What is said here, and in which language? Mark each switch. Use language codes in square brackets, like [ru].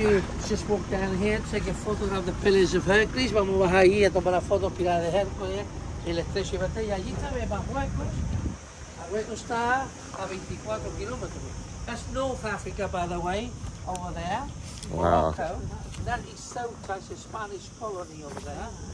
[en] If you just walk down here, take a photograph of the Pillars of Hercules. [es] Vamos a bajar ahí a tomar la foto, Pilares de Hércules, el estrecho de Gibraltar. Y allí también va Marruecos. Marruecos está a 24 kilómetros. [en] That's North Africa, by the way, over there. Wow. Morocco. That is Ceuta, it's a Spanish colony over there.